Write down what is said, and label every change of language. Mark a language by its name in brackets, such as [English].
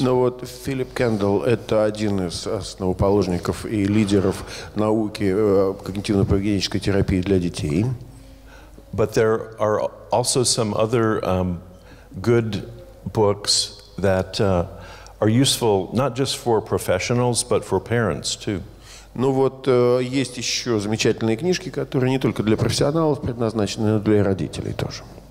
[Russian] Ну вот Филипп Кендалл – это один из основоположников и лидеров науки когнитивно-поведенческой терапии для детей. [English] But there are also some other good books that are useful not just for professionals, but for parents too. [Russian] Ну вот есть еще замечательные книжки, которые не только для профессионалов предназначены, но и для родителей тоже.